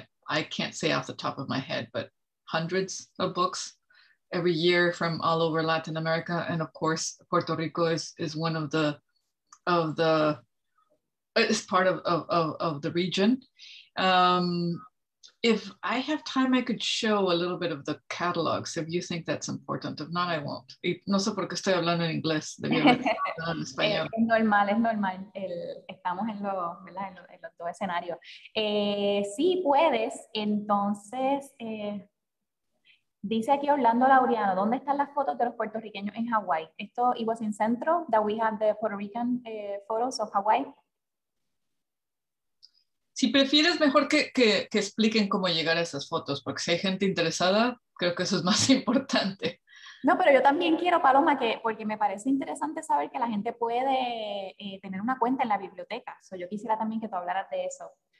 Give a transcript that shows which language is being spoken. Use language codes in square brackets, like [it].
[en] I can't say off the top of my head, but hundreds of books every year from all over Latin America. And of course, Puerto Rico is one of the region. If I have time, I could show a little bit of the catalogs if you think that's important. If not, I won't. [es] No sé por qué estoy hablando en inglés. Es normal, estamos en los dos escenarios. Sí, puedes. Entonces, dice aquí Orlando Laureano, ¿dónde están las fotos de los puertorriqueños en Hawaii? Esto, [en] it was in Centro, that we have the Puerto Rican photos of Hawaii. [es] Si prefieres, mejor que expliquen cómo llegar a esas fotos, porque si hay gente interesada, creo que eso es más importante. No, pero yo también quiero, Paloma, porque me parece interesante saber que la gente puede tener una cuenta en la biblioteca. [en] So, [es] yo quisiera también que tú hablaras de eso.